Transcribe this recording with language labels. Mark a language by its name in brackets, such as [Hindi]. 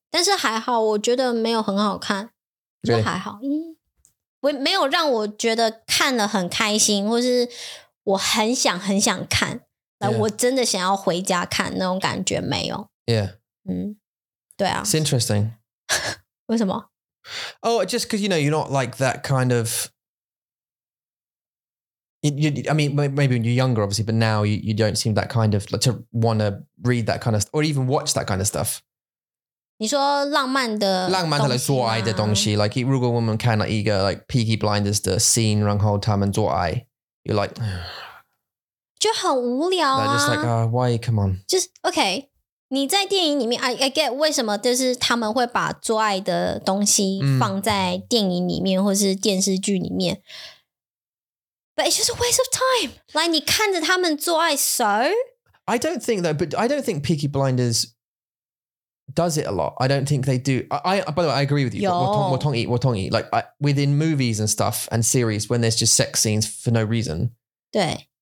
[Chinese] 但是还好,我觉得没有很好看。就还好。 [English] Really? [Chinese] 没有让我觉得看了很开心,或是我很想很想看 like, 我真的想要回家看那种感觉没有 [English] Yeah [Chinese] 对啊 [English] It's interesting [Chinese] 为什么 [English] Oh just because you know you're not like that kind of I mean maybe when you're younger obviously but now you don't seem that kind of like, to want to read that kind of or even watch that kind of stuff [Chinese] 你说浪漫的浪漫的来做爱的东西 Like 如果我们看了一个 like Peaky Blinders 的 scene 然后他们做爱 [English] You're like, [Chinese] 就很无聊啊。 [English] They're just like, why, come on. Just, okay. [Chinese] 你在电影里面, [English] I get [Chinese] 为什么就是他们会把做爱的东西放在电影里面或是电视剧里面。 [English] But it's just a waste of time. Like, [Chinese] 你看着他们做爱, [English] so? I don't think though, but I don't think Peaky Blinders does it a lot. I don't think they do. I by the way, I agree with you. [Chinese] 我同意, [English] like within movies and stuff and series when there's just sex scenes for no reason. [Chinese] 对。